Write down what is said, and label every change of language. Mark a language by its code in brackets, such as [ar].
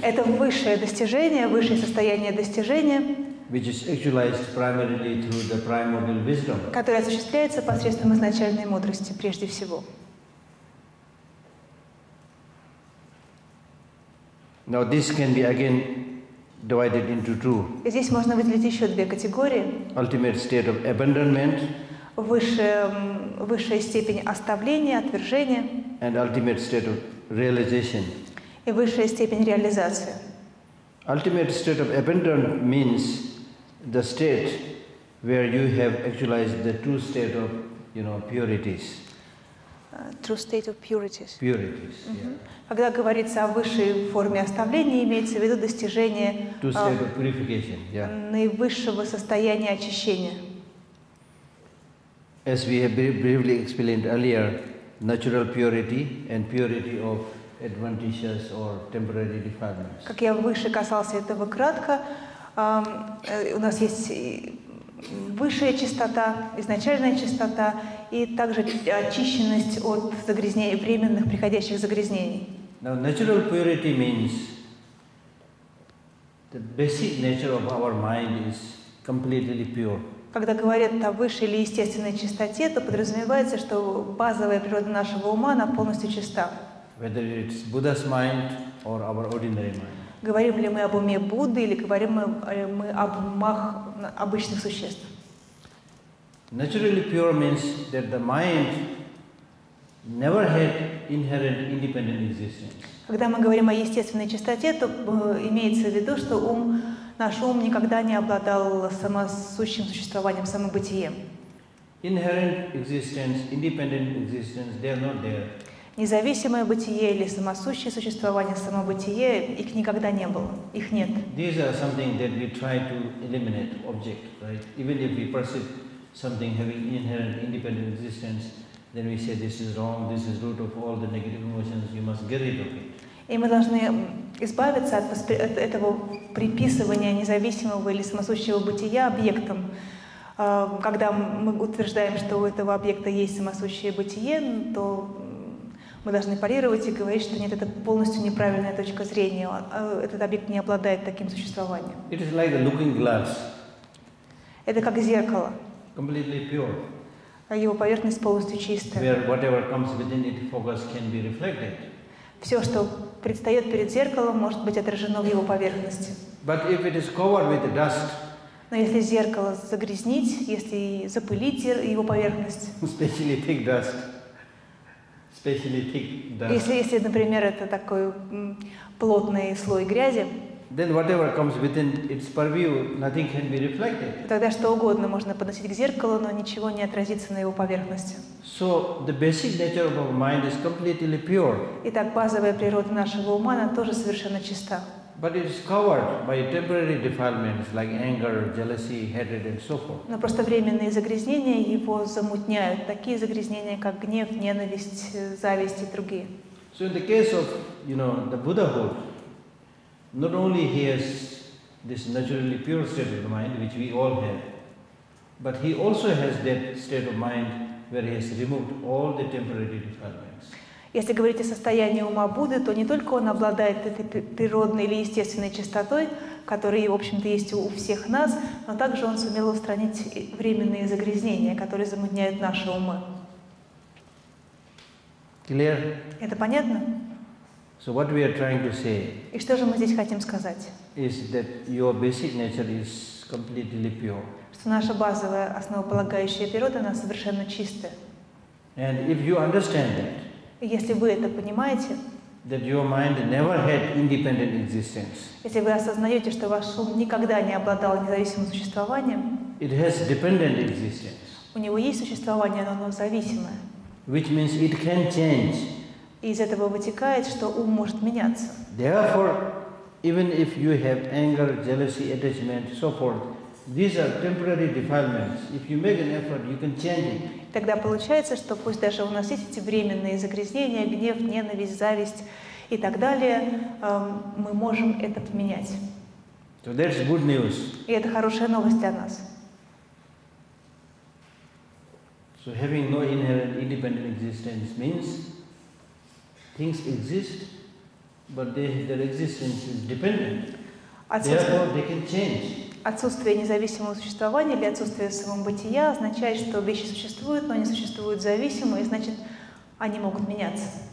[ru] Это высшее достижение, высшее состояние достижения, [en] which is actualized primarily through the primordial wisdom, [ru] которое осуществляется посредством изначальной мудрости прежде всего. [en] Now this can be again divided into two. [ru] И здесь можно выделить еще две категории. [en] Ultimate state of abandonment. [ru] Высшая степень оставления, отвержения. [en] And ultimate state of realization. [ru] И высшая степень реализации. [en] Ultimate state of abandon means the state where you have actualized the true state of, you know, purities. True state of purities. Purities. Mm-hmm. Yeah. [ru] Когда говорится о высшей форме оставления, имеется в виду достижение [en] true state of purification, yeah. [ru] Наивысшего состояния очищения. [en] As we have briefly explained earlier, natural purity and purity of adventitious or temporary defilements. [ru] Как я выше касался этого кратко, у нас есть высшая чистота, изначальная чистота и также очищенность от загрязнений, временных приходящих загрязнений. [en] Now, natural purity means the basic nature of our mind is completely pure. [ru] Когда говорят о высшей или естественной чистоте, то подразумевается, что базовая природа нашего ума, она полностью чиста. [en] Whether it's Buddha's mind or our ordinary mind. [ru] Говорим ли мы об уме Будды или говорим ли мы об умах обычных существ? [en] Naturally pure means that the mind never had inherent independent existence. [ru] Когда мы говорим о естественной чистоте, то имеется в виду, что ум... Наш ум никогда не обладал самосущим существованием, самобытием. [en] Inherent existence, independent existence, they are not there. [ru] Независимое бытие или самосущее существование, самобытие, их никогда не было, их нет. [en] These are something that we try to eliminate, object, right? Even if we perceive something having inherent independent existence, then we say this is wrong, this is root of all the negative emotions, you must get rid of it. [ru] И мы должны избавиться от этого приписывания независимого или самосущего бытия объектом. Когда мы утверждаем, что у этого объекта есть самосущее бытие, то мы должны парировать и говорить, что нет, это полностью неправильная точка зрения. Этот объект не обладает таким существованием. [en] It is like a looking glass. [ru] Это как зеркало. [en] Completely pure. [ru] А его поверхность полностью чистая. [en] Where whatever comes within it, focus can be reflected. [ru] Все, что предстает перед зеркалом, может быть отражено в его поверхности. [en] But if it is covered with dust, [ru] но если зеркало загрязнить, если запылить его поверхность, [en] especially thick dust, especially thick dust, [ru] если, например, это такой плотный слой грязи, [en] then whatever comes within its purview, nothing can be reflected. [ru] Тогда что угодно можно подносить к зеркалу, но ничего не отразится на его поверхности. [en] So the basic nature of our mind is completely pure. [ru] Итак, базовая природа нашего ума, она тоже совершенно чиста. [en] But it is covered by temporary defilements like anger, jealousy, hatred, and so forth. [ru] Но просто временные загрязнения его замутняют, такие загрязнения, как гнев, ненависть, зависть и другие. [en] So in the case of, you know, the Buddhahood, not only he has this naturally pure state of mind, which we all have, but he also has that state of mind where he has removed all the temporary defilements. [ru] Если говорить о состоянии ума Будды, то не только он обладает этой природной или естественной чистотой, которая, в общем-то, есть у всех нас, но также он сумел устранить временные загрязнения, которые замутняют наши умы. [en] Clear? [ru] Это понятно? [en] So what we are trying to say, [ru] и что же мы здесь хотим сказать? [en] Is that your basic nature is completely pure. [ru] Что наша базовая, основополагающая природа, она совершенно чистая. [en] And if you understand that, [ru] если вы это понимаете, [en] that your mind never had independent existence, [ru] если вы осознаете, что ваш ум никогда не обладал независимым существованием, [en] it has dependent existence, [ru] у него есть существование, но оно зависимое, [en] which means it can change, [ru] и из этого вытекает, что ум может меняться. [en] Therefore, even if you have anger, jealousy, attachment, so forth, these are temporary defilements. If you make an effort, you can change it. [ru] Тогда получается, что пусть даже у нас есть эти временные загрязнения, гнев, ненависть, зависть и так далее, мы можем это поменять. [en] So that's good news. [ru] И это хорошая новость для нас. [en] So having no inherent independent existence means things exist, but their existence is dependent. Therefore, they can change. [ru] Отсутствие независимого существования или отсутствие самобытия означает, что вещи существуют, но они существуют зависимо, и значит, они могут меняться.